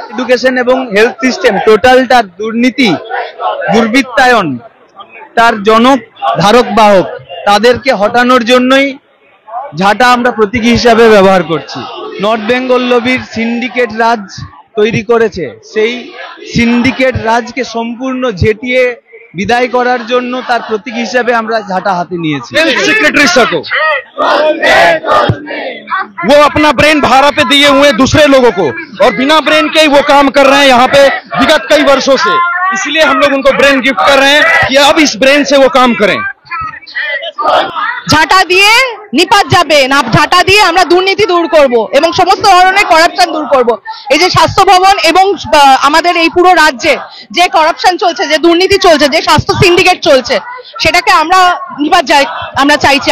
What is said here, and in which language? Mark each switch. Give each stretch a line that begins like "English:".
Bangla: Education এবং health system টোটালটার দুর্নীতি দুর্বৃত্তায়ন তার জনক ধারক বাহক তাদেরকে হটানোর জন্যই ঝাঁটা আমরা প্রতীক হিসাবে ব্যবহার করছি। নর্থ বেঙ্গল লবির সিন্ডিকেট রাজ তৈরি করেছে, সেই সিন্ডিকেট রাজকে সম্পূর্ণ ঝেটিয়ে বিদায় করার জন্য তার প্রতীক হিসাবে আমরা ঝাঁটা হাতে নিয়েছি।
Hindi: সেক্রেটারি সাকো वो अपना ब्रेन भाड़ा पे दिए हुए दूसरे लोगों को और बिना ब्रेन के ही वो काम कर रहे हैं यहाँ पे विगत कई वर्षों से, इसलिए हम लोग उनको ब्रेन गिफ्ट कर रहे हैं कि अब इस ब्रेन से वो काम करें।
Bangla: ঝাঁটা দিয়ে নিপাত যাবে না, ঝাঁটা দিয়ে আমরা দুর্নীতি দূর করব এবং সমস্ত ধরনের করাপশন দূর করব। এই যে স্বাস্থ্য ভবন এবং আমাদের এই পুরো রাজ্যে যে করাপশন চলছে, যে দুর্নীতি চলছে, যে স্বাস্থ্য সিন্ডিকেট চলছে, সেটাকে আমরা নিপাত যাই আমরা চাইছি।